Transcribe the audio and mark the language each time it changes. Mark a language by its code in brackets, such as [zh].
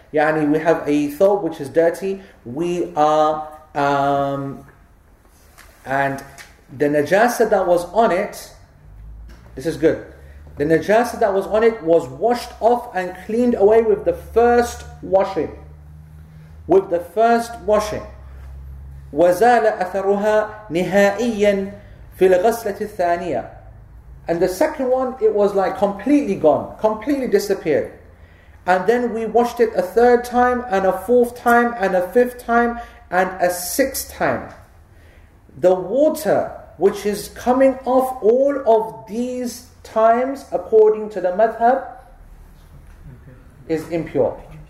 [en] يعني we have a thobe which is dirty. We are and the najasa that was on it. This is good. The najasa that was on it was washed off and cleaned away with the first washing. With the first washing. [ar] وزال أثرها نهائيا في الغسلة الثانية. [en] And the second one, it was like completely gone, completely disappeared. And then we washed it a third time, and a fourth time, and a fifth time, and a sixth time. The water which is coming off all of these times, according to the madhab, is impure.